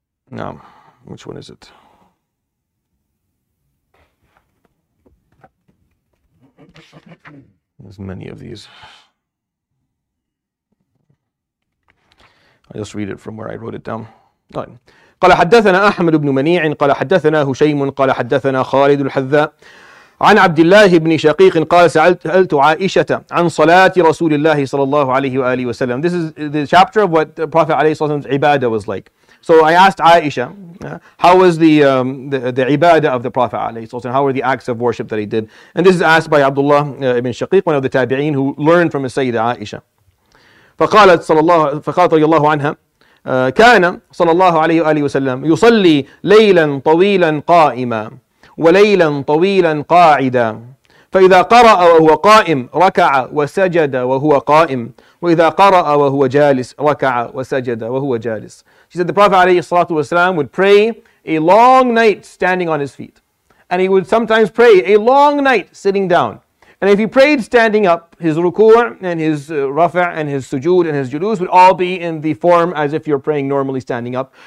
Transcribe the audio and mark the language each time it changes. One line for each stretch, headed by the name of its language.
English: No, which one is it? There's many of these. I'll just read it from where I wrote it down. All right.
Arabic: قال حدثنا أحمد بن منيع قال حدثنا هشيم قال حدثنا خالد الحذاء عن عبد الله بن شقيق قال سألت عائشة عن صلاة رسول الله صلى الله عليه وآله وسلم.
English: This is the chapter of what the Prophet
Arabic: عليه الصلاة والسلام's
English: ibadah was like. So I asked Aisha, how was the ibadah of the Prophet
Arabic: عليه الصلاة والسلام?
English: How were the acts of worship that he did? And this is asked by Abdullah ibn Shaqiq, one of the tabi'een who learned from his Sayyidah Aisha.
Arabic: فقالت صلى الله فقالت رضي الله عنها كان صلى الله عليه وآله وسلم يصلي ليلا طويلا قائما وليلا طويلا قاعدا فإذا قرأ وهو قائم ركع وسجد وهو قائم وإذا قرأ وهو جالس ركع وسجد وهو جالس.
English: She said the Prophet
Arabic: عليه الصلاة والسلام
English: would pray a long night standing on his feet, and he would sometimes pray a long night sitting down. And if he prayed standing up, his ruku' and his rafa' and his sujood and his julus would all be in the form as if you're praying normally standing up.